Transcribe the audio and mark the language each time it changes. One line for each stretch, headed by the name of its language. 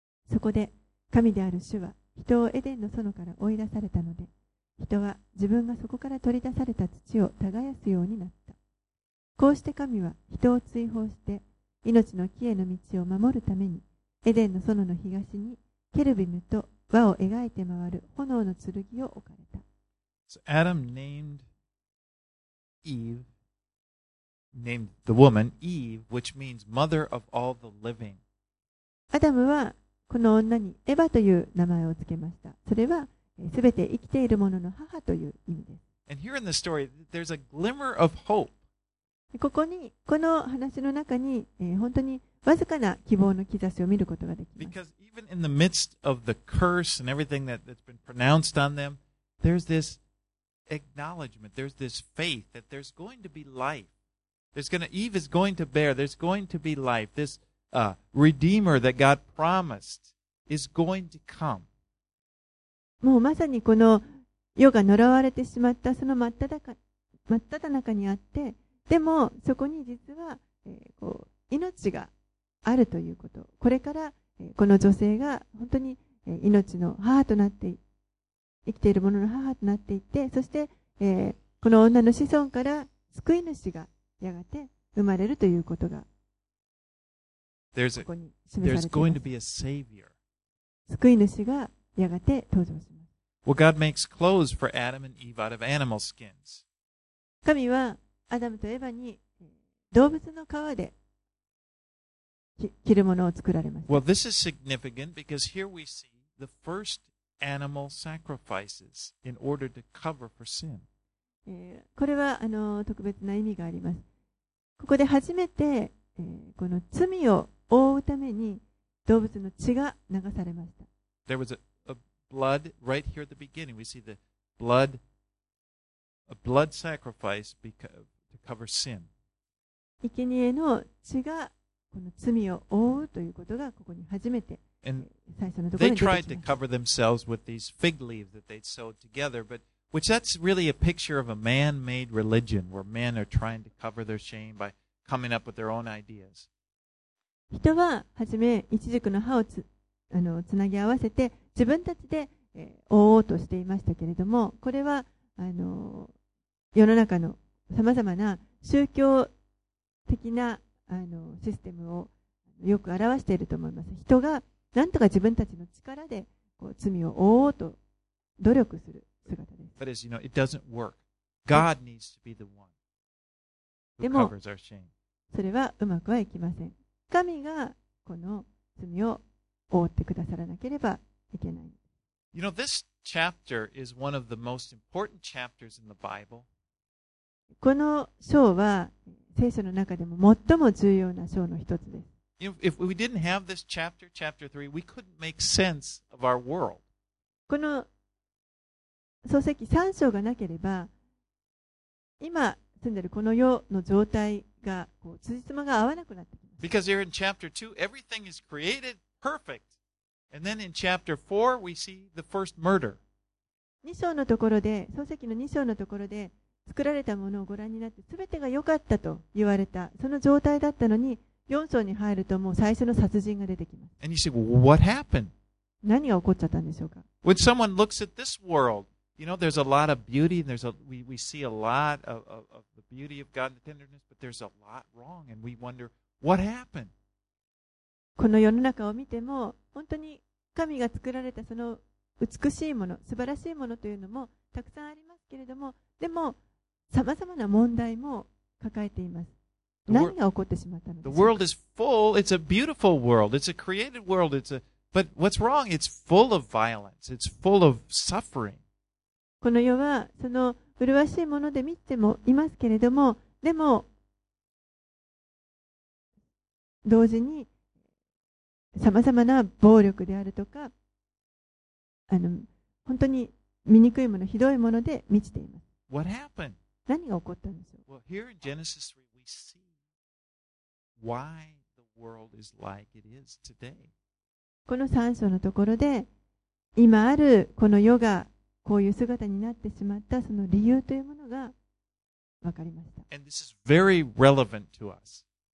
Japanese: そこで、神である主は人をエデンの園から追い出されたので、人は自分がそこから取り出された土を耕すようになった。こうして神は人を追放して、命の木への道を守るためにエデンの園の東にケルビムと輪を描いて回る炎の剣を置かれた。
English: So、Adam named Eve, named the woman Eve, which means mother of all the living.
Japanese: アダムはこの女にエバという名前をつけました。それはすべて生きているものの母という意味です。
English: And here in the story, there's a glimmer of hope.
Japanese: ここにこの話の中に、本当にわずかな希望の兆しを見ることができます。
English: Because even in the midst of the curse and everything that's been pronounced on them, there's this acknowledgement, there's this faith that there's going to be life. Eve is going to bear, there's going to be life. This Redeemer that God promised is going to come.
Japanese: もうまさにこの世が呪われてしまったその真っただ中にあって、でもそこに実は、こう命があるということ、これから、この女性が本当に、命の母となって生きているものの母となっていって、そして、この女の子孫から救い主がやがて生まれるということがここに示されています。
English: There's going to be a savior.
Japanese: 救い主がやがて登場します。
English: Well, God makes clothes for Adam and Eve out of animal skins.
Japanese: 神はアダムとエヴァに動物の皮で着るものを作られました。
English: Well, this is significant because here we see the first animal sacrifices in order to cover for sin.
Japanese: これは特別な意味があります。ここで初めて、この罪を覆うために動物の血が流されました。
English: There was a blood right here at the beginning. We see the blood, a blood sacrifice because.
Japanese: 生贄の血がこの罪を覆うということがここに初めて最初のところに出てきました。
English: themselves with these fig leaves that they'd sewed together, but which that's really a picture of a man-made religion where men are trying to cover their shame by coming up with their own ideas.
Japanese: 人は初め一軸の葉をつなぎ合わせて自分たちで覆おうとしていましたけれども、これは世の中のさまざまな宗教的なシステムをよく表していると思います。人がなんとか自分たちの力でこう罪を覆おうと努力する姿です。
English: But as you know, it doesn't work. God needs to be the one who covers our shame.
Japanese: それはうまくはいきません。神がこの罪を覆ってくださらなければいけない。
English: You know, this chapter is one of the most important chapters in the Bible.
Japanese: この章は聖書の中でも最も重要な章の一つです。
English: If we didn't have this chapter, chapter 3, we couldn't make sense of our world.
Japanese: この創世記3章がなければ、今住んでいるこの世の状態が、こう、つじつまが合わなくなってきます。
English: Because here in chapter 2, everything is created perfect. And then in chapter 4, we see the first murder.
Japanese: 2章のところで、創世記の2章のところで、作られたものをご覧になって、すべてが良かったと言われた、その状態だったのに、4章に入るともう最初の殺人が出てきます。
English: And you say, well, what happened?
Japanese: 何が起こっちゃったんでしょうか?
English: When someone looks at this world, you know, there's a lot of beauty, and we see a lot of the beauty of God and the tenderness, but there's a lot wrong, and we wonder, what happened?
Japanese: この世の中を見ても、本当に神が作られたその美しいもの、素晴らしいものというのもたくさんありますけれども、でも、さまざまな問題も抱えています。何が起こってしまったのか。
English: The world is full. It's a beautiful world. It's a created world. But what's wrong? It's full of violence. It's full of suffering.
Japanese: この世はその麗しいもので見てもいますけれども、でも同時にさまざまな暴力であるとか、本当に醜いもの、ひどいもので満ちています。
English: What happened?
Japanese: 何が起こったんでしょう。
English: Well, here in Genesis 3, we see. Why the world is like it is today.
Japanese: この3章のところで今あるこの世がこういう姿になってしまったその理由というものが分かりました。
English: And this is very relevant to us.